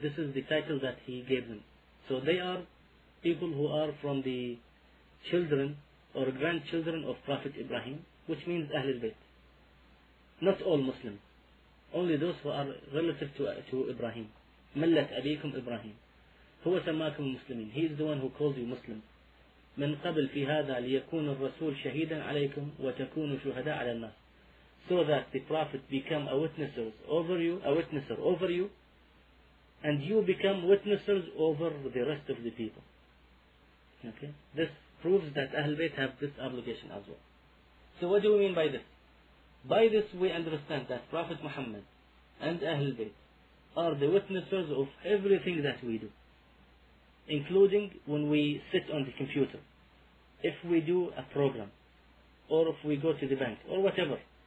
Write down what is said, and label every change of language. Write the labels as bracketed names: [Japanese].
[English] This is the title that he gave them. So they are people who are from the children or grandchildren of Prophet Ibrahim, which means Ahlul Bayt. Not all Muslims. Only those who are relative to Ibrahim. [Arabic] Millat Abikum Ibrahim. هو سماكم المسلمين. [English] He is the one who calls you Muslim. [Arabic] من قبل في هذا ليكون الرسول شهيدا عليكم وتكونوا شهداء على الناس. [English] So that the Prophet become a witnesser over you, and you become witnessers over the rest of the people. Okay? This proves that Ahlul Bayt have this obligation as well. So what do we mean by this? By this we understand that Prophet Muhammad and Ahlul Bayt are the witnessers of everything that we do, including when we sit on the computer, if we do a program, or if we go to the bank, or whatever.